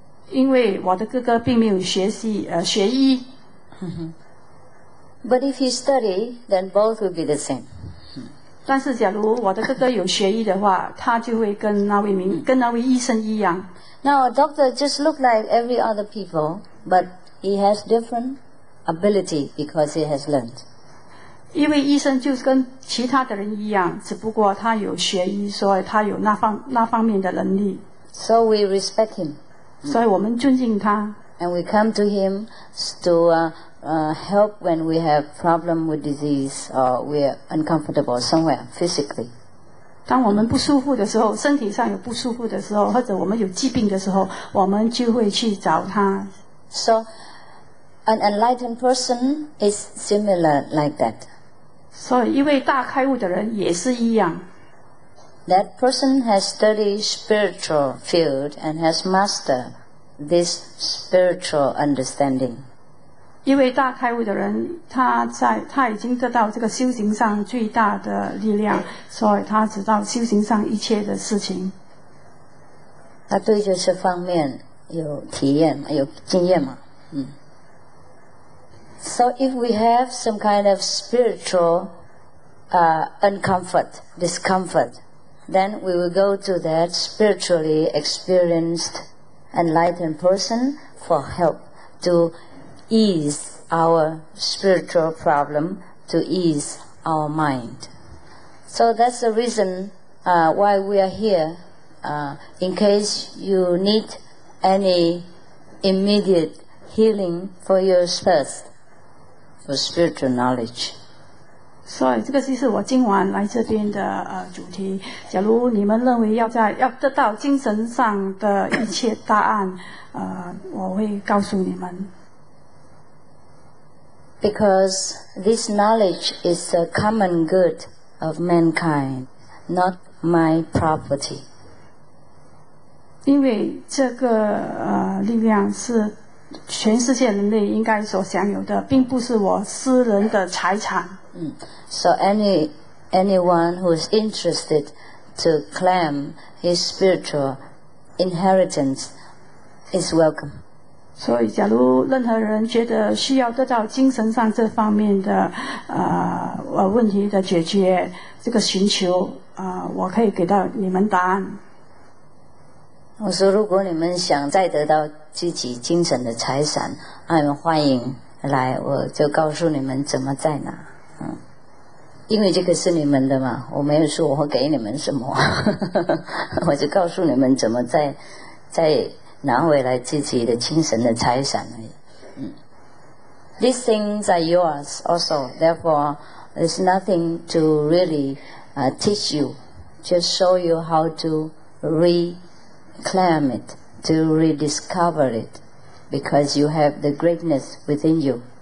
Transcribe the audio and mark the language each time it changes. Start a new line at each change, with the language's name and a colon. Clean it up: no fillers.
Chinese: 因为我的哥哥并没有学习学医。
English: But if he study, then both will be the same.
Chinese: 但是假如我的哥哥有学医的话，他就会跟那位名跟那位医生一样。
English: Now a doctor just look like every other people, but he has different ability because he has learned.
Chinese: 一位医生就是跟其他的人一样，只不过他有学医，所以他有那方面的能力。
English: So we respect him.
Chinese: 所以我们尊敬他。
English: And we come to him to help when we have problem with disease or we are uncomfortable somewhere physically.
Chinese: 当我们不舒服的时候，身体上有不舒服的时候，或者我们有疾病的时候，我们就会去找他。
English: So an enlightened person is similar like that.
Chinese: 所以一位大开悟的人也是一样。
English: That person has studied spiritual field and has mastered this spiritual understanding.
Chinese: 一位大开悟的人他已经得到这个修行上最大的力量，所以他知道修行上一切的事情。他对这些方面有体验有经验吗？
English: So if we have some kind of spiritual discomfort, then we will go to that spiritually experienced enlightened person for help to ease our spiritual problem to ease our mind. So that's the reason why we are here. In case you need any immediate healing for your thirst for spiritual knowledge.
Chinese: 所以这个就是我今晚来这边的主题。假如你们认为要得到精神上的一切答案，我会告诉你们。
English: Because this knowledge is a common good of mankind, not my property.
Chinese: 因为这个力量是全世界人类应该所享有的，并不是我私人的财产。
English: So anyone who is interested to claim his spiritual inheritance is welcome.
Chinese: 所以假如任何人觉得需要得到精神上这方面的问题的解决，这个寻求我可以给到你们答案。我说如果你们想再得到自己精神的财产，那你们欢迎来，我就告诉你们怎么在哪。因为这个是你们的嘛，我没有说我会给你们什么，我就告诉你们怎么再拿回来自己的精神的财产而已。
English: These things are yours also, therefore there's nothing to really teach you, just show you how to reclaim it, to rediscover it, because you have the greatness within you.